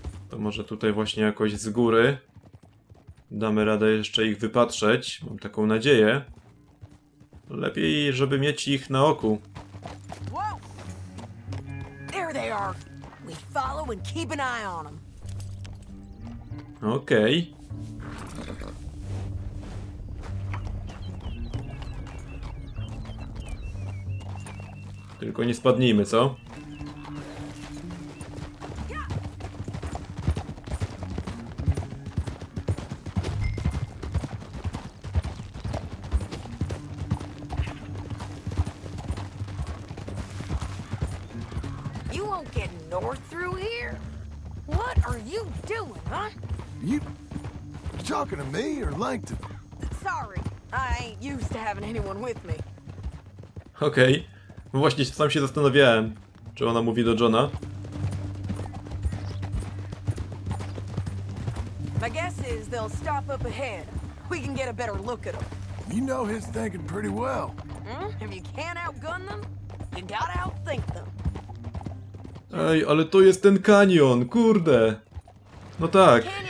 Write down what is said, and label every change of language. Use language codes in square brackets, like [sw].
[pl] To może tutaj właśnie jakoś z góry damy radę jeszcze ich wypatrzeć. Mam taką nadzieję. Lepiej, żeby mieć ich na oku. [en] Whoa! There they are. We follow and keep an eye on them. [pl] Okej. Tylko nie spadnijmy, co? [en] You won't get north through here? What are you doing, huh? You talking to me or Langton? Sorry, I ain't used to having anyone with me. Okej. Okay. [pl] Właśnie sam się zastanawiałem, czy ona mówi do Johna. [en] My guess is they'll stop up ahead. We can get a better look at them. You know his thinking pretty well. If you can't outgun them, you gotta outthink them. [pl] Ej, ale to jest ten kanion, kurde. No tak.